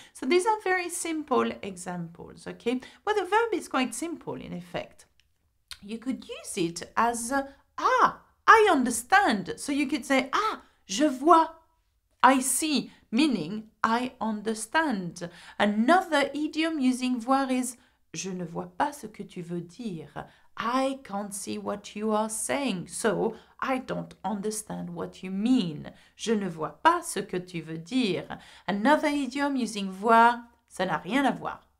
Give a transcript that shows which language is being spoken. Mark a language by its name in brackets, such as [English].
[English] So these are very simple examples, okay? Well, the verb is quite simple, in effect. You could use it as I understand. So you could say, [French] je vois, [English] I see, meaning I understand. Another idiom using voir is, [French] je ne vois pas ce que tu veux dire. [English] I can't see what you are saying, so I don't understand what you mean. [French] Je ne vois pas ce que tu veux dire. [English] Another idiom using voir, [French] ça n'a rien à voir.